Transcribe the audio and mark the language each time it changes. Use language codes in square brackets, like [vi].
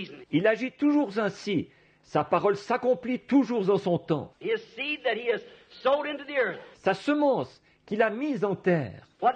[fr] Il agit toujours ainsi. Sa parole s'accomplit toujours en son temps. [en] His seed that he has sowed into the earth. [fr] Sa semence qu'il a mise en terre.